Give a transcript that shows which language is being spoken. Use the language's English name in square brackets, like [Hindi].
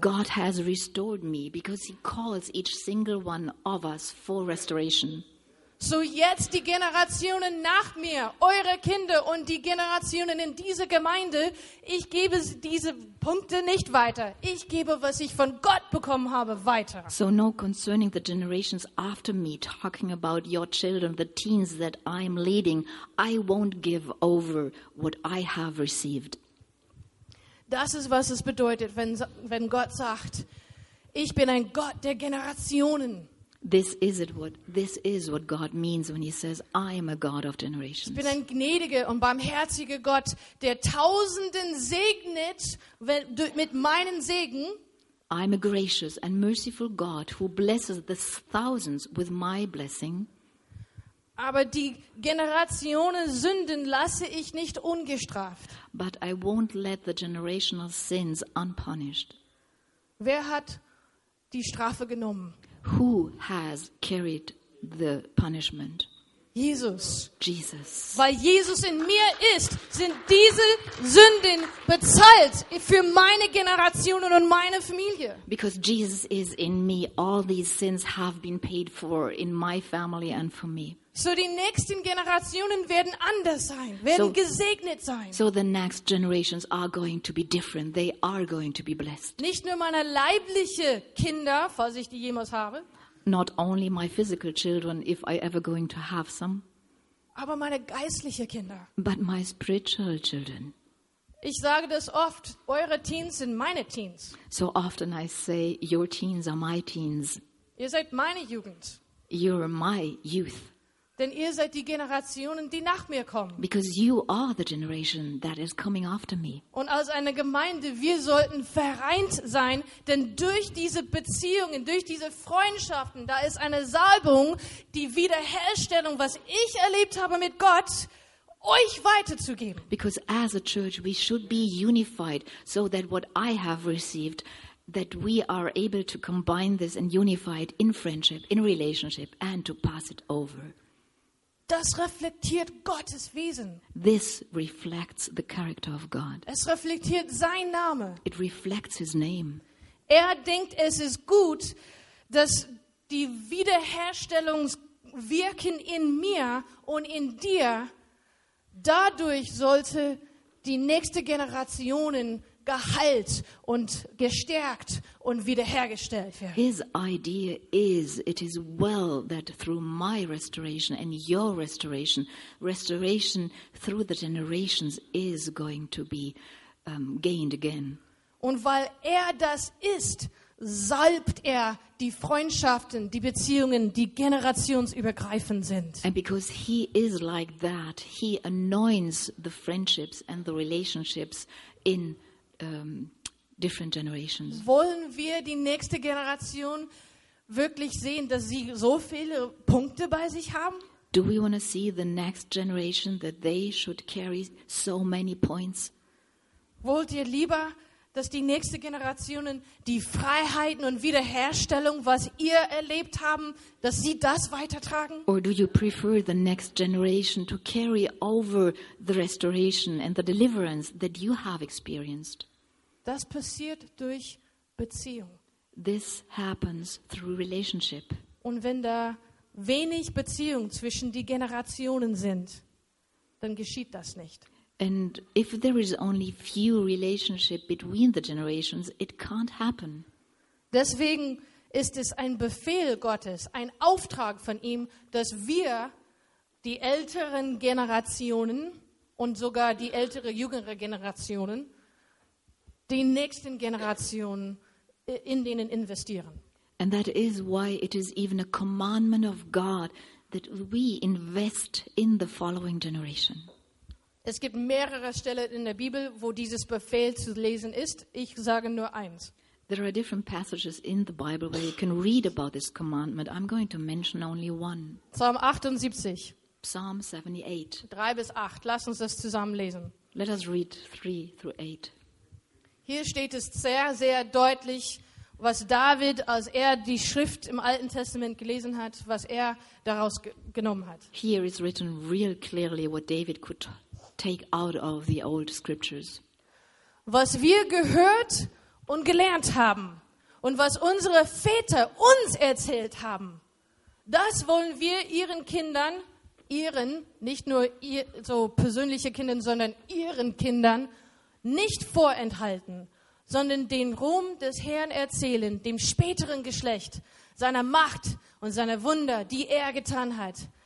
[English] God has restored me because he calls each single one of us for restoration. [German] So jetzt die Generationen nach mir, eure Kinder und die Generationen in dieser Gemeinde, ich gebe diese Punkte nicht weiter. Ich gebe, was ich von Gott bekommen habe, weiter. [English] So no concerning the generations after me, talking about your children, the teens that I'm leading, I won't give over what I have received. [German] Das ist, was es bedeutet, wenn Gott sagt, ich bin ein Gott der Generationen. [English] This is what God means when he says, I am a God of generations. [German] Ich bin ein gnädiger und barmherziger Gott, der Tausenden segnet mit meinen Segen. [English] I am a gracious and merciful God who blesses the thousands with my blessing. [German] Aber die Generationen Sünden lasse ich nicht ungestraft. [English] But I won't let the generational sins unpunished. [German] Wer hat die Strafe genommen? [English] Who has carried the punishment? Jesus. [German] Weil Jesus in mir ist, sind diese Sünden bezahlt für meine Generationen und meine Familie. [English] Because Jesus is in me, all these sins have been paid for in my family and for me. [German] So die nächsten Generationen werden anders sein, gesegnet sein. [English] So the next generations are going to be different. They are going to be blessed. [German] Nicht nur meine leiblichen Kinder, falls ich die jemals habe. [English] Not only my physical children, if I ever going to have some. [German] Aber meine geistlichen Kinder. [English] But my spiritual children. [German] Ich sage das oft, eure Teens sind meine Teens. [English] So often I say, your teens are my teens. [German] Ihr seid meine Jugend. [English] You're my youth. [German] Denn ihr seid die Generationen, die nach mir kommen. [English] Because you are the generation that is coming after me. [German] Und als eine Gemeinde, wir sollten vereint sein, denn durch diese Beziehungen, durch diese Freundschaften, da ist eine Salbung, die Wiederherstellung, was ich erlebt habe mit Gott, euch weiterzugeben. [English] Because as a church, we should be unified, so that what I have received, that we are able to combine this and unify it in friendship, in relationship, and to pass it over. [German] Das reflektiert Gottes Wesen. [English] This reflects the character of God. [German] Es reflektiert sein Name. [English] It reflects his name. [German] Er denkt, es ist gut, dass die Wiederherstellungswirken in mir und in dir, dadurch sollte die nächste Generationen geheilt und gestärkt und wiederhergestellt werden. [English] His idea is, it is well that through my restoration and your restoration through the generations is going to be gained again. [German] Und weil er das ist, salbt er die Freundschaften, die Beziehungen, die generationsübergreifend sind. [English] And because he is like that, he anoints the friendships and the relationships in different generations. [German] Wollen wir die nächste Generation wirklich sehen, dass sie so viele Punkte bei sich haben? [English] Do we want to see the next generation that they should carry so many points? [German] Wollt ihr lieber, dass die nächste Generationen die Freiheiten und Wiederherstellung, was ihr erlebt haben, dass sie das weitertragen? [English] Or do you prefer the next generation to carry over the restoration and the deliverance that you have experienced? [German] Das passiert durch Beziehung. [English] This happens through relationship. [German] Und wenn da wenig Beziehung zwischen die Generationen sind, dann geschieht das nicht. [English] And if there is only few relationship between the generations, it can't happen. [German] Deswegen ist es ein Befehl Gottes, ein Auftrag von ihm, dass wir die älteren Generationen und sogar die ältere, jüngere Generationen die nächsten Generationen in denen investieren. [English] And that is why it is even a commandment of God that we invest in the following generation. [German] Es gibt mehrere Stellen in der Bibel, wo dieses Befehl zu lesen ist. Ich sage nur eins. [English] There are different passages in the Bible where you can read about this commandment. I'm going to mention only one. [German] Psalm 78. [English] Psalm 78. [German] 3-8. Lass uns das zusammen lesen. [English] Let us read 3-8. [German] Hier steht es sehr, sehr deutlich, was David, als er die Schrift im Alten Testament gelesen hat, was er daraus genommen hat. [English] Here is written real clearly what David could take out of the old scriptures. [German] Was wir gehört und gelernt haben und was unsere Väter uns erzählt haben, Das wollen wir ihren Kindern, ihren, nicht nur ihr, so persönliche Kindern, sondern ihren Kindern nicht vorenthalten, sondern den Ruhm des Herrn erzählen, dem späteren Geschlecht, seiner Macht und seiner Wunder, die er getan hat.